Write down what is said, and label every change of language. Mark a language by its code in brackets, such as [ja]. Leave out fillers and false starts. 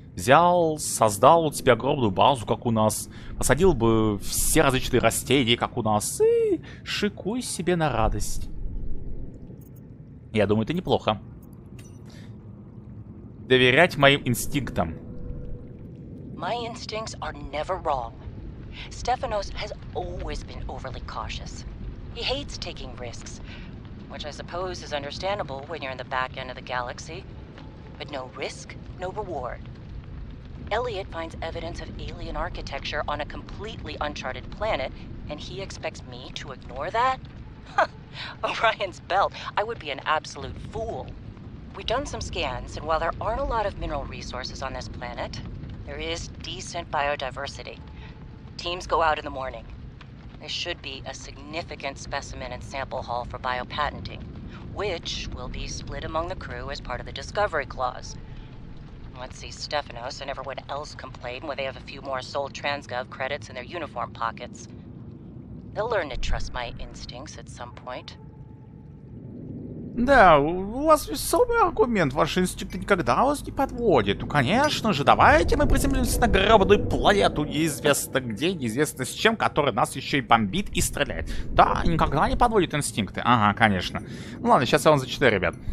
[ru] Взял, создал вот себе огромную базу, как у нас. Посадил бы все различные растения, как у нас. И шикуй себе на радость. Я думаю, это неплохо. Доверять моим инстинктам. [en] My instincts are never wrong. Stephanos has always been overly cautious. He hates taking risks. which I suppose is understandable when you're in the back end of the galaxy. But no risk, no reward. Elliot finds evidence of alien architecture on a completely uncharted planet, and he expects me to ignore that? Huh. Orion's belt. I would be an absolute fool. We've done some scans, and while there aren't a lot of mineral resources on this planet, there is decent biodiversity. Teams go out in the morning. There should be a significant specimen and sample haul for biopatenting, which will be split among the crew as part of the discovery clause. Let's see, Stephanos and everyone else complain when they have a few more sold Transgov credits in their uniform pockets. They'll learn to trust my instincts at some point. [ru] Да, у вас весомый аргумент, ваши инстинкты никогда вас не подводят. Ну, конечно же, давайте мы приземлимся на гребаную планету, неизвестно где, неизвестно с чем, которая нас еще и бомбит и стреляет. Да, никогда не подводят инстинкты. Ага, конечно. Ну ладно, сейчас я вам зачитаю, ребят.